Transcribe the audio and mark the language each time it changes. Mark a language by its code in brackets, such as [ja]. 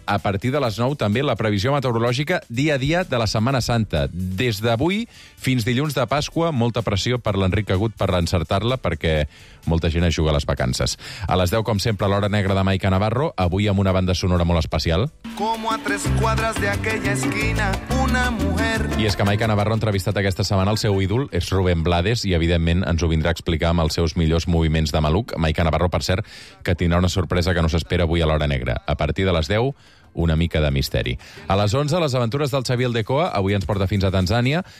[ca] A partir de les 9, també la previsió meteorològica dia a dia de la Setmana Santa. Des d'avui fins dilluns de Pasqua, molta pressió per l'Enric Agut per encertar-la, perquè molta gent es juga a les vacances. A les 10, com sempre, l'hora negra de Maica Navarro, avui amb una banda sonora molt especial. [es] Como a tres cuadras de aquella esquina, una mujer... [ca] I és que Maica Navarro ha entrevistat aquesta setmana el seu ídol, és Rubén Blades, i evidentment ens ho vindrà a explicar amb els seus millors moviments de maluc. Maica Navarro, per cert, que tindrà una sorpresa que no s'espera avui a l'hora negra. A partir de les 10, una mica de misteri. A les 11, les aventures del Xavier Aldecoa, avui ens porta fins a Tanzània.